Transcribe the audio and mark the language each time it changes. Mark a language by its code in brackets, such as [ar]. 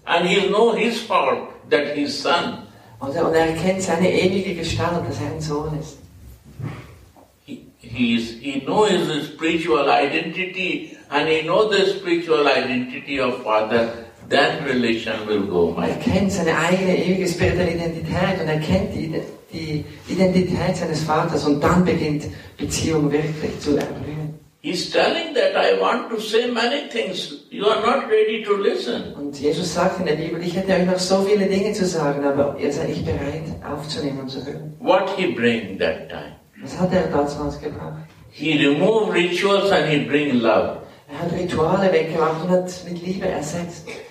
[en] And he know his form that he is son. [de] Und er kennt seine ewige Gestalt, dass er ein Sohn ist. [en] He knows his spiritual identity and he knows the spiritual identity of father, that relation will go. [de] Er kennt seine eigene ewige spirituelle Identität und er kennt die Identität seines Vaters und dann beginnt Beziehung wirklich zu erblühen. [en] He's telling that I want to say many things. You are not ready to listen. [de] Und Jesus sagt in der Bibel, ich hätte euch noch so viele Dinge zu sagen, aber ihr seid nicht bereit aufzunehmen und zu hören. [en] What he bring that time? [de] Was hat er damals gebracht? [en] He removed rituals and he bring love. [de] Er hat Rituale weggemacht und hat mit Liebe ersetzt.